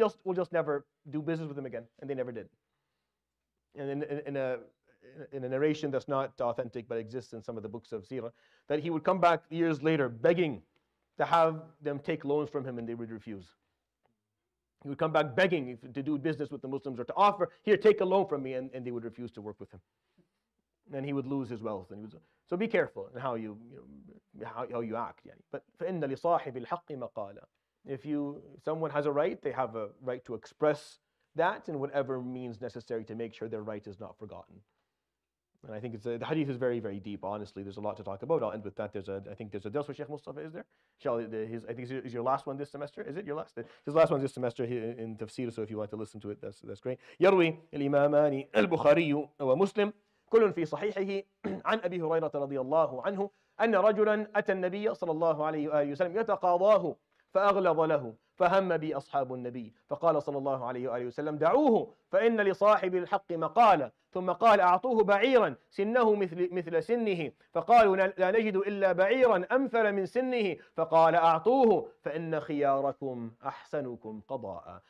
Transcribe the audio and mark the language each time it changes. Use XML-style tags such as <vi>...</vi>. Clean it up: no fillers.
<en>We'll just never do business with him again, and they never did. And in a narration that's not authentic but exists in some of the books of Sirah, that he would come back years later begging to have them take loans from him, and they would refuse. He would come back begging to do business with the Muslims or to offer, here, take a loan from me, and they would refuse to work with him. And he would lose his wealth. So be careful in how you act. Yani.</en> <ar>But فَإِنَّ لِصَاحِبِ الْحَقِّ مَقَالًا.</ar> <en>If someone has a right, they have a right to express that in whatever means necessary to make sure their right is not forgotten. And I think the hadith is very, very deep. Honestly, there's a lot to talk about. I'll end with that. I think there's a dars with Sheikh Mustafa, is there? I think is your last one this semester? Is it your last? His last one this semester in Tafsir, so if you want to listen to it, that's great.</en> <ar>يَرْوِي الْإِمَامَانِ الْبُخَارِيُّ وَمُسْلِمُ كل في صحيحه عن أبي هريرة رضي الله عنه أن رجلا أتى النبي صلى الله عليه وآله وسلم يتقاضاه فأغلظ له فهم بي أصحاب النبي فقال صلى الله عليه وآله وسلم دعوه فإن لصاحب الحق مقالا ثم قال أعطوه بعيرا سنه مثل سنه فقالوا لا نجد إلا بعيرا أمثل من سنه فقال أعطوه فإن خياركم أحسنكم قضاء.</ar>